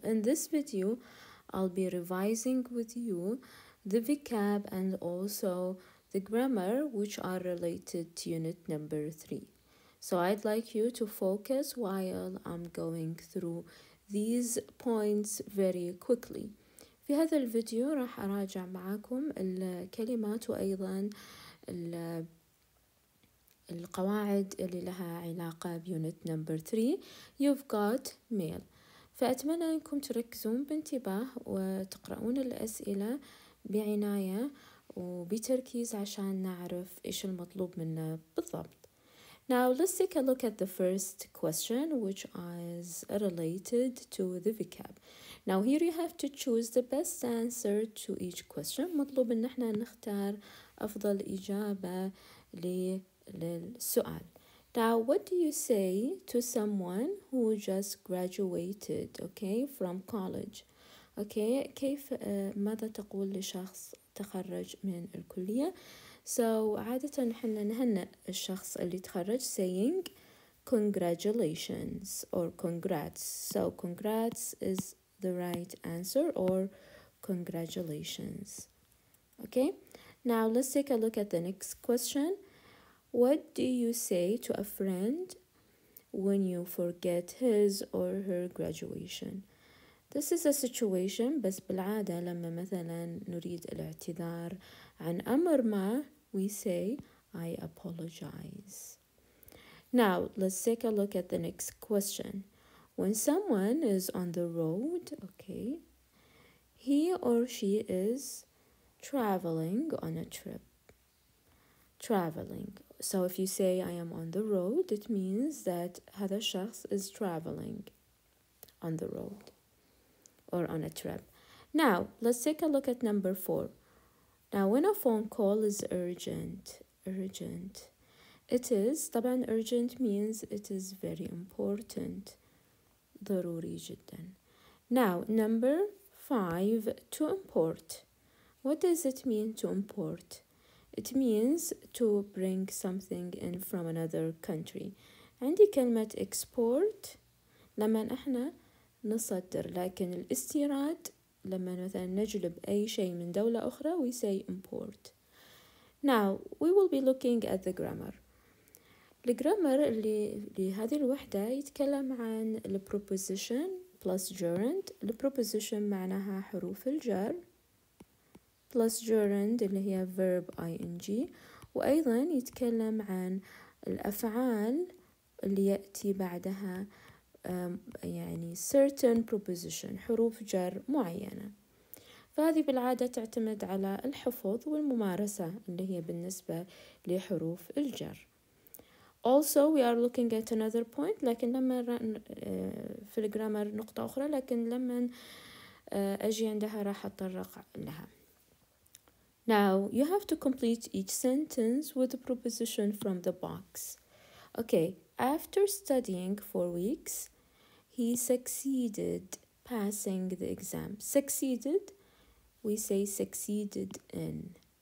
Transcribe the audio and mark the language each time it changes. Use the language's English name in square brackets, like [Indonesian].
[English] In this video, I'll be revising with you the vocab and also the grammar which are related to unit number 3. So I'd like you to focus while I'm going through these points very quickly. [Arabic] في هذا الفيديو راح أراجع معكم الكلمات وأيضا القواعد اللي لها علاقة بيونت نمبر 3 You've got mail. فأتمنى أنكم تركزون بانتباه وتقرؤون الأسئلة بعناية وبتركيز عشان نعرف إيش المطلوب منا بالضبط. [English] Now let's take a look at the first question which is related to the vocab. Now here you have to choose the best answer to each question. [Arabic] مطلوب إن احنا نختار أفضل إجابة للسؤال. [English] Now, what do you say to someone who just graduated, okay, from college? Okay, [Arabic] كيف ماذا تقول لشخص تخرج من الكلية؟ [English] So, [Arabic] عادة حنا نهنئ الشخص اللي تخرج [English] saying congratulations or congrats. So, congrats is the right answer or congratulations. Okay, now let's take a look at the next question. What do you say to a friend when you forget his or her graduation? This is a situation, [Arabic] بس بالعادة لما مثلا نريد الاعتذار عن أمر ما, [English] we say, I apologize. Now, let's take a look at the next question. When someone is on the road, okay, he or she is traveling on a trip. Traveling. So if you say I am on the road, it means that [Arabic] هذا الشخص [English] is traveling on the road or on a trip. Now, let's take a look at number 4. Now, when a phone call is urgent, it is, [Arabic] طبعا [English] urgent means it is very important, [Arabic] ضروري جدا. [English] Now, number 5, to import. What does it mean to import? It means to bring something in from another country. [Arabic] عندي كلمة export لما احنا نصدر, لكن الاستيراد لما مثلا نجلب أي شيء من دولة أخرى, [English] we say import. Now, we will be looking at the grammar. [Arabic] الجرامر اللي لهذه الوحدة يتكلم عن [English] the preposition plus gerund. The preposition [Arabic] معناها حروف الجر. [English] Plus gerund [Arabic] اللي هي [English] verb ing, [Arabic] وأيضا يتكلم عن الأفعال اللي يأتي بعدها يعني [English] certain preposition, [Arabic] حروف جر معينة. فهذه بالعادة تعتمد على الحفظ والممارسة اللي هي بالنسبة لحروف الجر. [English] Also we are looking at another point, [Arabic] لكن لما في الجرامر نقطة أخرى, لكن لما أجي عندها راح أتطرق لها. [English] Now, you have to complete each sentence with a preposition from the box. Okay, after studying for weeks, he succeeded passing the exam. Succeeded, we say succeeded in.